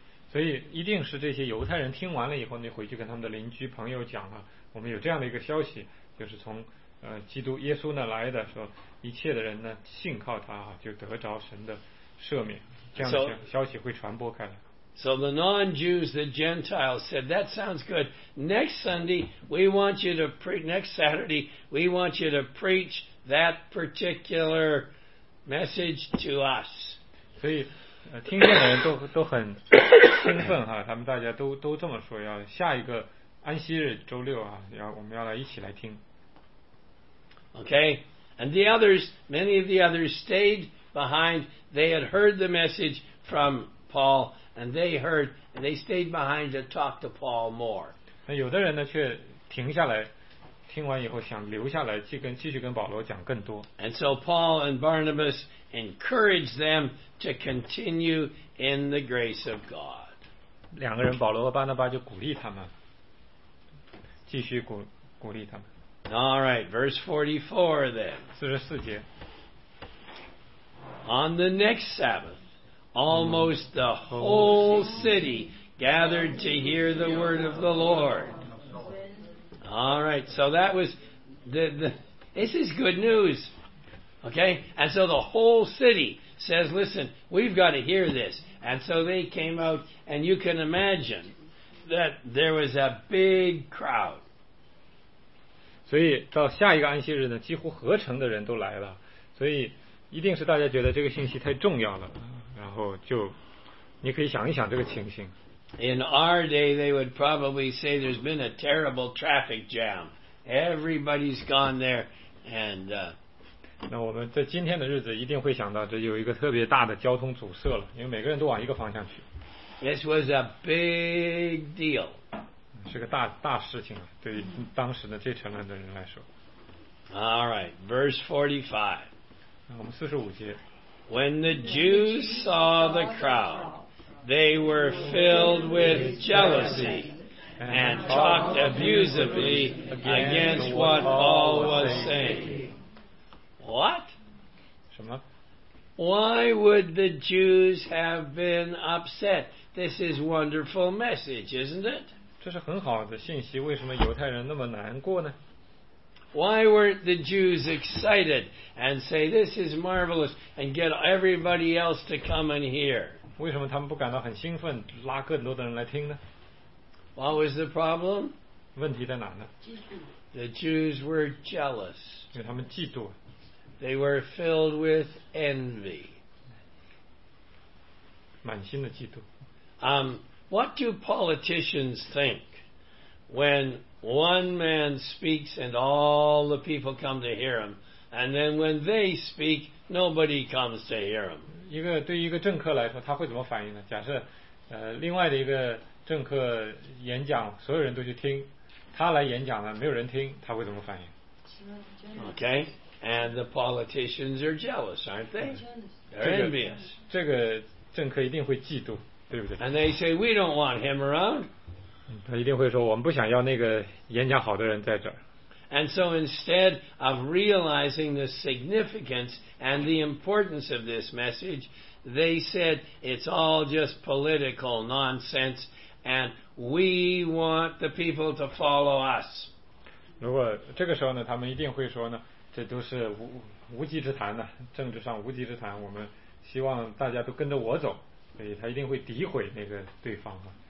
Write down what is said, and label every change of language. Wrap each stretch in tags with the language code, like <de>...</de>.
<zh>所以一定是这些犹太人听完了以后呢，回去跟他们的邻居朋友讲啊，我们有这样的一个消息，就是从基督耶稣那来的，说一切的人呢信靠他啊，就得着神的赦免，这样的消息会传播开来。</zh> <en>So the non-Jews, the Gentiles, said, that sounds good. Next Saturday, we want you to preach that particular message to us.</en> <zh>所以听见的人都很兴奋哈，他们大家都这么说，要下一个安息日周六啊，我们要来一起来听。</zh> <en>Okay, and the others, many of the others stayed behind. They had heard the message from Paul, and they heard, and they stayed behind to talk to Paul more.</en> <zh>那有的人呢，却停下来，听完以后想留下来继续跟保罗讲更多。</zh> <en>And so Paul and Barnabas encouraged them to continue in the grace of God.</en> <zh>两个人保罗和巴拿巴就鼓励他们，继续鼓励他们。</zh> <en>All right, verse 44 then.</en> <zh>44节。</zh> <en>On the next Sabbath, almost the whole city gathered to hear the word of the Lord. All right, so that was this is good news. Okay, and so the whole city says, listen, we've got to hear this. And so they came out, and you can imagine that there was a big crowd.</en> <zh>所以到下一个安息日呢，几乎合成的人都来了，所以一定是大家觉得这个信息太重要了。然后就你可以想一想这个情形。</zh> <en>In our day, they would probably say there's been a terrible traffic jam. Everybody's gone there. And,</en> <zh>那我们在今天的日子一定会想到这有一个特别大的交通阻塞了，因为每个人都往一个方向去。</zh> <en>This was a big deal.</en> <zh>是个大事情啊，对于当时的这城里的人来说。</zh> <en>All right, verse 45.</en> <zh>我们45节。</zh> <en>When the Jews saw the crowd, they were filled with jealousy and talked abusively against what Paul was saying. What?</en> <zh>什么?</zh> <en>Why would the Jews have been upset? This is wonderful message, isn't it?</en> <zh>这是很好的信息，为什么犹太人那么难过呢?</zh> <en>Why weren't the Jews excited and say, this is marvelous, and get everybody else to come and hear?</en> <zh>为什么他们不感到很兴奋，拉更多的人来听呢?</zh> <en>What was the problem?</en> <zh>问题在哪呢?</zh> <en>The Jews were jealous.</en> <zh>因为他们嫉妒。</zh> <en>They were filled with envy.</en> <zh>满心的嫉妒。</zh> <en>What do politicians think when one man speaks and all the people come to hear him, and then when they speak, nobody comes to hear him.</en> <zh>一个对一个政客来说，他会怎么反应呢？假设，另外的一个政客演讲，所有人都去听，他来演讲呢，没有人听，他会怎么反应</zh> <en>？Okay, and the politicians are jealous, aren't they? They're envious.</en> <zh>这个政客一定会嫉妒，对不对</zh> <en>？And they say we don't want him around.</en> <zh>他一定会说，我们不想要那个演讲好的人在这儿。</zh> <en>And so instead of realizing the significance and the importance of this message, they said it's all just political nonsense and we want the people to follow us.</en> <zh>如果这个时候呢，他们一定会说呢，这都是 无稽之谈呢、啊，政治上无稽之谈，我们希望大家都跟着我走，所以他一定会诋毁那个对方嘛。</zh>